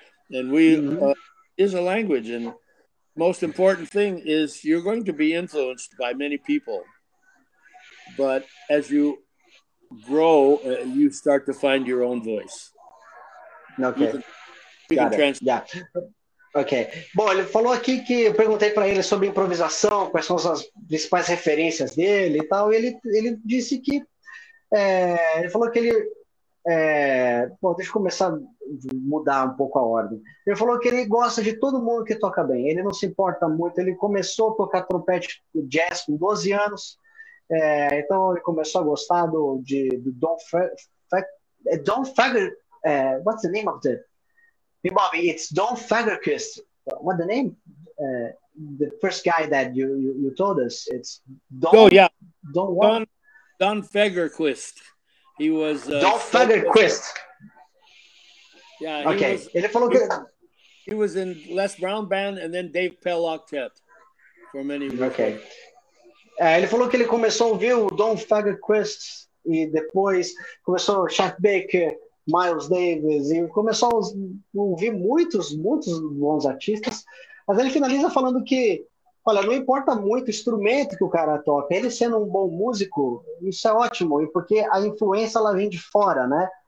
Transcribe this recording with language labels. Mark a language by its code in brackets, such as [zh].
[en] And we is a language, and most important thing is you're going to be influenced by many people. But as you grow, you start to find your own voice. Okay. Okay. [pt] Bom, ele falou aqui que eu perguntei para ele sobre improvisação, quais são as principais referências dele e tal. E ele disse que... ele falou que ele... bom, deixa eu começar a mudar um pouco a ordem. Ele falou que ele gosta de todo mundo que toca bem. Ele não se importa muito. Ele começou a tocar trompete jazz com 12 anos. Então, ele começou a gostar do Don Fager... [en] Don Fager... what's the name of the... Hey, Bobby, it's Don Fagerquist. What the name? The first guy that you told us. It's Don. Oh yeah. Don what? Don Fagerquist. He was. Don Fagerquist. Yeah. [pt] Okay. Ele falou que [en] he was in Les Brown Band and then Dave Pell Octet for many years. Okay. [pt] Ele falou que ele começou a ouvir o Don Fagerquist e depois começou o Chet Baker. Miles Davis, e começou a ouvir muitos, muitos bons artistas, mas ele finaliza falando que, olha, não importa muito o instrumento que o cara toca, ele sendo um bom músico, isso é ótimo, porque a influência, ela vem de fora, né?